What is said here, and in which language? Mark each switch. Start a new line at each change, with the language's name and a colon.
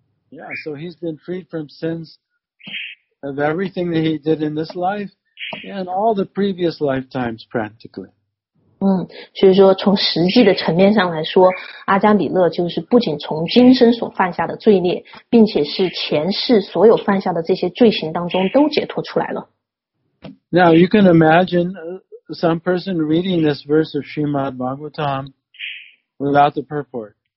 English: Yeah, so he's been freed from sins of everything that he did in this life and all the previous lifetimes practically.
Chinese: 所以说从实际的层面上来说，阿加米勒就是不仅从今生所犯下的罪孽，并且是前世所有犯下的这些罪行当中都解脱出来了。
English: Now you can imagine some person reading this verse of Srimad Bhagavatam without the purport.